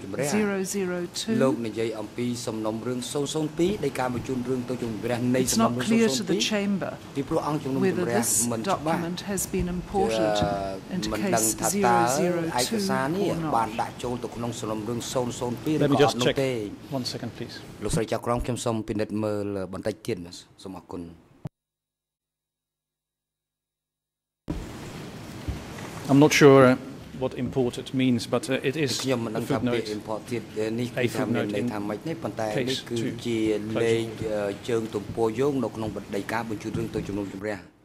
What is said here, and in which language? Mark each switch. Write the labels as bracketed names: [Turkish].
[English] 002? It's not clear to the chamber whether this document has been imported into case 002 or not. Let me just check. 1 second, please. [Khmer] លោកស្រីចៅក្រមខ្ញុំសូមពិនិត្យមើលបន្តិចទៀតសូមអរគុណ [English] I'm not sure what imported means but it is [Khmer] ខ្ញុំមិនដឹងថាពាក្យ [English] imported [Khmer] នេះគឺថាមានន័យថាម៉េចនេះប៉ុន្តែនេះគឺជាលេខជើងទំព័រយោងនៅក្នុងបណ្ដីការបញ្ជូនរឿងទៅជំនុំជម្រះ